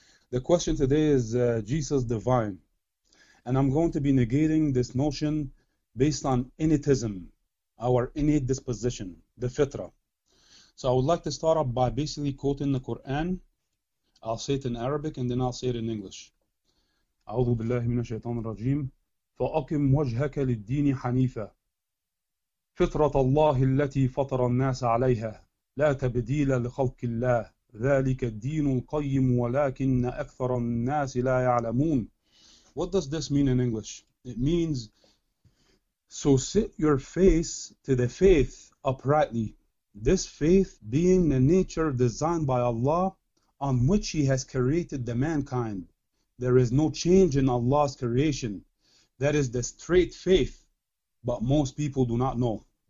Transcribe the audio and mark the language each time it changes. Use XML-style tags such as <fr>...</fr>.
<en>The question today is Jesus divine. And I'm going to be negating this notion based on innatism, our innate disposition, the fitrah. So I would like to start up by basically quoting the Quran. I'll say it in Arabic and then I'll say it in English.</en> <ar>أعوذ بالله من الشيطان الرجيم فأقم وجهك للدين حنيفة فطرة الله التي فطر الناس عليها لا تبديل لخلق الله ذلك الدين القيم ولكن أكثر الناس لا يعلمون.</ar> <en>What does this mean in English? It means, so set your face to the faith uprightly. This faith being the nature designed by Allah on which He has created the mankind. There is no change in Allah's creation. That is the straight faith, but most people do not know.</en>